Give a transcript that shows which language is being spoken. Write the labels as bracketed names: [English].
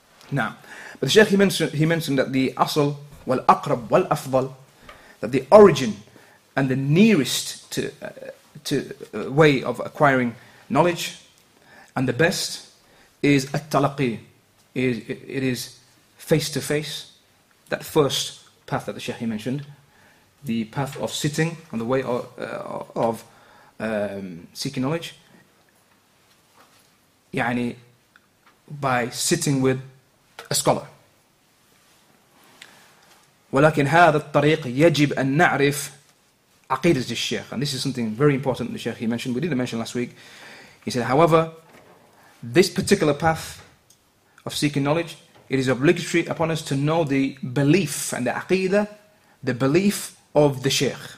[English] Now, but the Sheikh, he mentioned that the [Arabic] asl wal aqrab wal afdal, [English] that the origin and the nearest to way of acquiring knowledge and the best is at-talaqi, it is face to face, that first path that the Sheikh mentioned, the path of sitting on the way of seeking knowledge, yani by sitting with a scholar. [Arabic] ولكن هذا الطريق يجب أن نعرف عقيدة الشيخ. [English] And this is something very important the Sheikh he mentioned. We didn't mention last week. He said, however, this particular path of seeking knowledge, it is obligatory upon us to know the belief and the aqidah, the belief of the Sheikh.